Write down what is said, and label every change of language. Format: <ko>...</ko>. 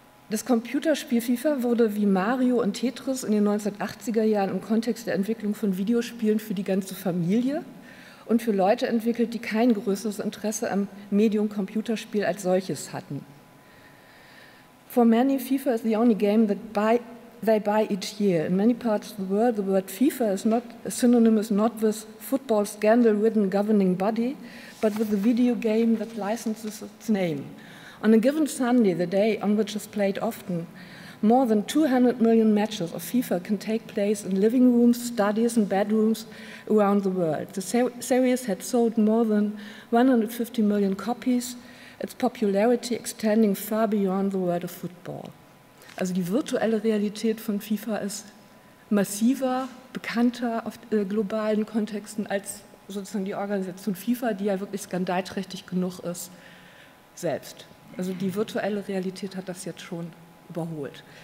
<de>Das Computerspiel FIFA wurde wie Mario und Tetris in den 1980er Jahren im Kontext der Entwicklung von Videospielen für die ganze Familie und für Leute entwickelt, die kein größeres Interesse am Medium Computerspiel als solches hatten.</de> <en>For many, FIFA is the only game that they buy each year. In many parts of the world, the word FIFA is not synonymous not with football scandal-ridden governing body, but with the video game that licenses its name. On a given Sunday, the day on which is played often, more than 200 million matches of FIFA can take place in living rooms, studies and bedrooms around the world. The series had sold more than 150 million copies, its popularity extending far beyond the world of football.</en> <de>Also die virtuelle Realität von FIFA ist massiver, bekannter auf globalen Kontexten als sozusagen die Organisation FIFA, die ja wirklich skandalträchtig genug ist, selbst. Also die virtuelle Realität hat das jetzt schon überholt.</de>